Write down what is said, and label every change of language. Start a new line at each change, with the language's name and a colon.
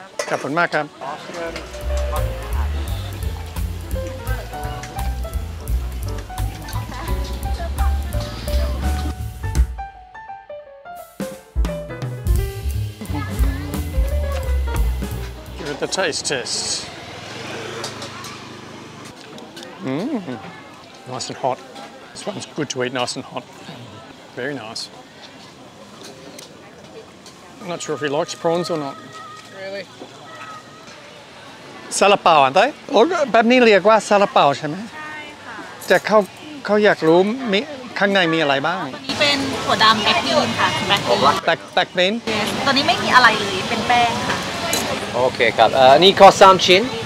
Thai: ขอบคุณมากครับ
English: The taste test. Nice and hot. This one's good to eat nice and hot. Very nice. I'm not sure if he likes prawns or not. Really?
Thai: ซาลาเปาอันใดโอ้แบบนี้เรียกว่าซาลาเปาใช่ไหม ใช่ ค่ะ แต่เขาอยากรู้มีข้างในมีอะไรบ้าง ตัวนี้เป็นถั่วดำแบ็กบีนค่ ะ แบ็กบี นตัวนี้ไม่มีอะไรเลยเป็นแป้งค่ะ โอเคครับนี่ขอ3ชิ้น